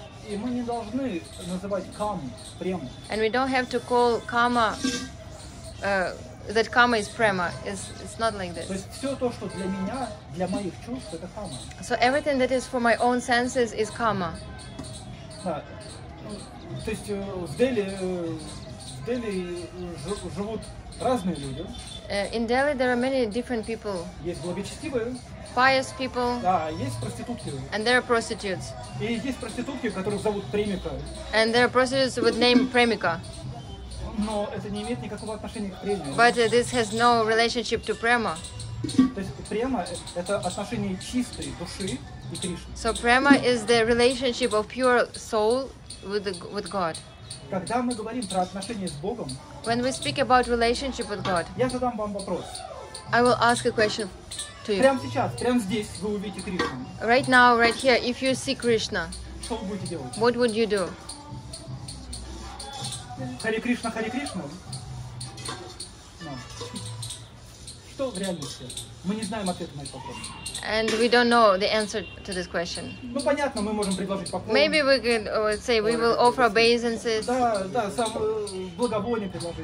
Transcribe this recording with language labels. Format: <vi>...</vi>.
<ru>И мы не должны называть каму прему.</ru> <en>And we don't have to call kama that kama is prema. It's not like this.</en> <ru>То есть все то, что для меня, для моих чувств, это кама.</ru> <en>So everything that is for my own senses is kama.</en> <ru>Да. То есть в Дели живут разные люди.</ru> <en>In Delhi there are many different people.</en> <ru>Есть благочестивые.</ru> <en>Pious people.</en> <ru>Да, есть проститутки.</ru> <en>And there are prostitutes.</en> <ru>И есть проститутки, которых зовут Премика.</ru> <en>And there are prostitutes with name Premika.</en> <ru>Но это не имеет никакого отношения к Преме.</ru> <en>But this has no relationship to Prema.</en> <ru>То есть Према – это отношение чистой души и Кришны.</ru> <en>So Prema is the relationship of pure soul with God.</en> <ru>Когда мы говорим про отношения с Богом,</ru> <en>when we speak about relationship with God,</en> <ru>я задам вам вопрос.</ru> <en>I will ask a question.</en> <ru>Прямо сейчас, прямо здесь вы увидите Кришну.</ru> <en>Right now, right here, if you see Krishna,</en> <ru>что вы будете делать?</ru> <en>What would you do?</en> <sa>Hare Krishna, Hare Krishna.</sa> <ru>Что в реальности? Мы не знаем ответа на этот вопрос.</ru> <en>And we don't know the answer to this question.</en> <ru>Ну понятно, мы можем предложить поклон.</ru> <en>Maybe we could say we will offer obeisances.</en> <ru>Да, да, сам благовоние предложить.</ru>